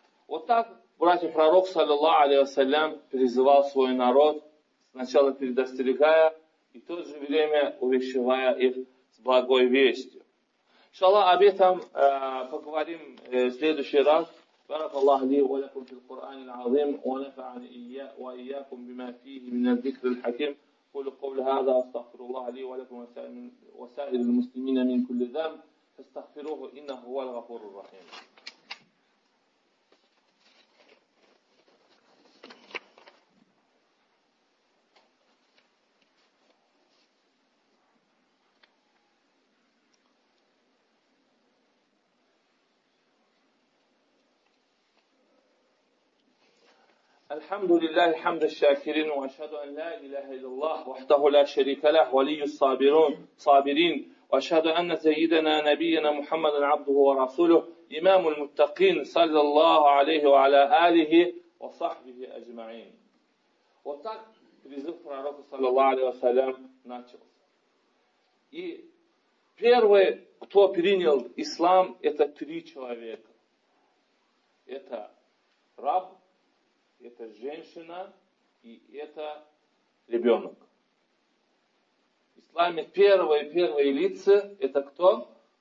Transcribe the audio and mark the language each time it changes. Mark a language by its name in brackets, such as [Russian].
[Russian] Вот так братья пророк, саллиллаху алейхи вассалям, призывал свой народ, сначала предостерегая и в то же время увещевая их с благой вестью. Иншаллах, об этом поговорим в следующий раз. [Arabic] بارك الله لي ولكم في القرآن العظيم ونفعني وإياكم بما فيه من الذكر الحكيم قل قول هذا استغفر الله لي ولكم وسائر المسلمين من كل ذنب فاستغفروه إنه هو الغفور الرحيم. الحمد لله حمد الشاكرين وأشهد أن لا إله إلا الله وحده لا شريك له ولي الصابرين وأشهد أن سيدنا نبينا محمد عبده ورسوله إمام المتقين صلى الله عليه وعلى آله وصحبه أجمعين. وطاق رزق فرارك صلى الله عليه وسلم [Russian] начал. И первый, кто принял ислам, это три человека. Это раб, это женщина и это ребенок. В исламе первые лица это кто?